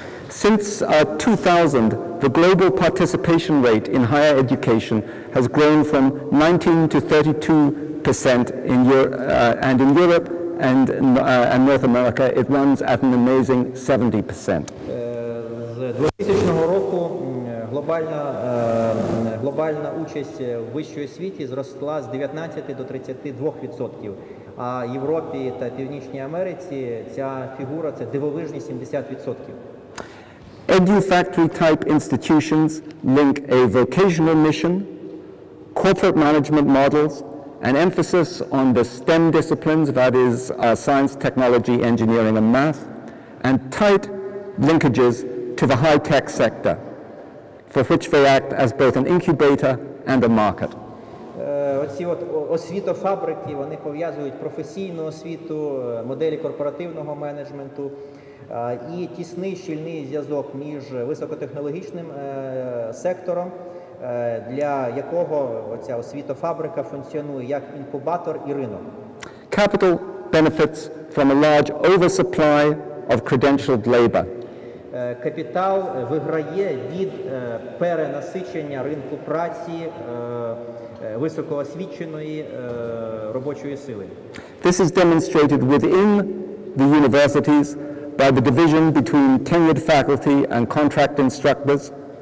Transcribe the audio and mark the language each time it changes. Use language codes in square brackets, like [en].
[en] Since 2000, the global participation rate in higher education has grown from 19% to 32% in Europe and North America, it runs at an amazing 70%. [uk] З 2000 року глобальна участь в вищій освіті зросла з 19 до 32%. А в Європі та Північній Америці ця фігура – це дивовижні 70%. [en] Edu-factory-type institutions link a vocational mission, corporate management models, an emphasis on the STEM disciplines, that is, science, technology, engineering, and math, and tight linkages to the high-tech sector, for which they act as both an incubator and a market. [uk] Оці от освітофабрики, вони пов'язують професійну освіту, моделі корпоративного менеджменту, і тісний щільний зв'язок між високотехнологічним сектором, для якого оця освітофабрика функціонує як інкубатор і ринок. [en] Capital benefits from a large oversupply of credentialed labor. [uk] Капітал виграє від перенасичення ринку праці високоосвіченої робочої сили. [en] This is demonstrated within the universities by the division between tenured faculty and contract instructors.